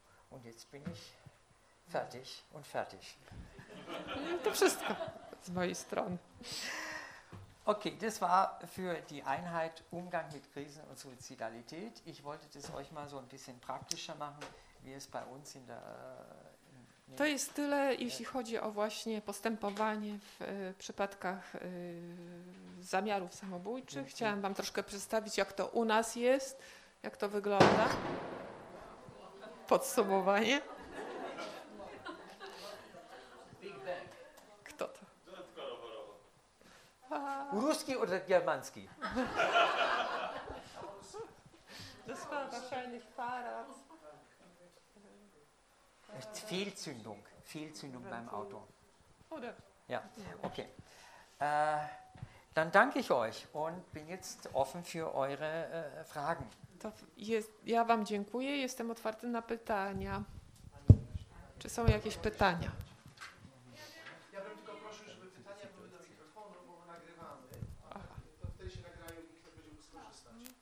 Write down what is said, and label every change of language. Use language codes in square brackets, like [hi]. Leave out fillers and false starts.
[de] Und jetzt bin ich fertig und fertig. [pl] To wszystko z mojej strony. [de] Okay, das war für die Einheit Umgang mit Krisen und Suizidalität. Ich wollte das euch mal so ein bisschen praktischer machen, wie es bei uns in der [pl] To jest tyle, jeśli chodzi o właśnie postępowanie w przypadkach zamiarów samobójczych. Chciałam wam troszkę przedstawić, jak to u nas jest, jak to wygląda. Podsumowanie. Kto to? Ruski oder germanski? [de] Das war wahrscheinlich Fahrrad. Fehlzündung beim Auto. Oder? Ja, okay. Dann danke ich euch und bin jetzt offen für eure Fragen. [pl] Ja wam dziękuję, jestem otwarty na pytania. Czy są jakieś pytania? Ja bym tylko prosił, żeby pytania były do mikrofonu, bo my nagrywamy. To wtedy się nagrają i kto będzie mógł skorzystać.